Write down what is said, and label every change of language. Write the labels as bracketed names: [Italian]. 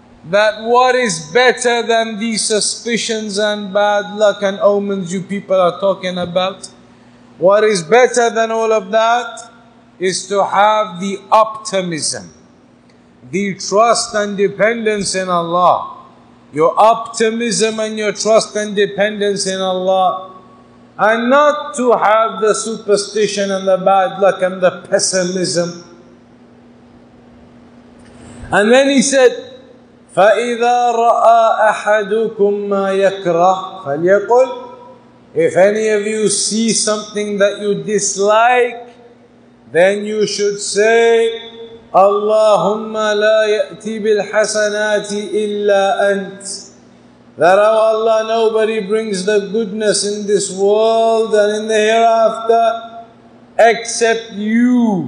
[English] That what is better than these suspicions and bad luck and omens you people are talking about, what is better than all of that is to have the optimism, the trust and dependence in Allah. your optimism and your trust and dependence in Allah, and not to have the superstition and the bad luck and the pessimism. And then he said, [Arabic] فَإِذَا رَأَى أَحَدُكُمْ مَا يَكْرَهُ فَلْيَقُلْ. [English] If any of you see something that you dislike, then you should say, [Arabic] اللهم لا يأتي بالحسنات إلا أنت. [English] That, oh Allah, nobody brings the goodness in this world and in the hereafter except you.